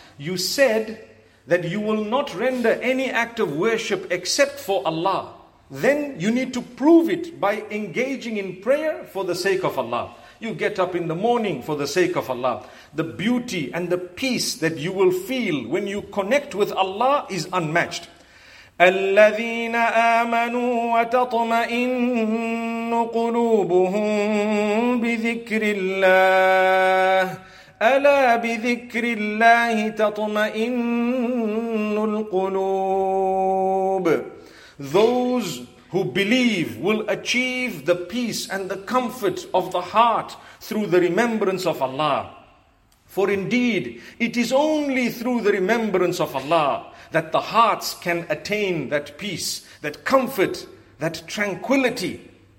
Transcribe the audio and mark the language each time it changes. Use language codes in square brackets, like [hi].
[en] You said that you will not render any act of worship except for Allah. Then you need to prove it by engaging in prayer for the sake of Allah. You get up in the morning for the sake of Allah. The beauty and the peace that you will feel when you connect with Allah is unmatched. [ar] الذين آمنوا وتطمئن قلوبهم بذكر الله ألا بذكر الله تطمئن القلوب. [en] Those who believe will achieve the peace and the comfort of the heart through the remembrance of Allah. For indeed, it is only through the remembrance of Allah that the hearts can attain that peace, that comfort, that tranquility.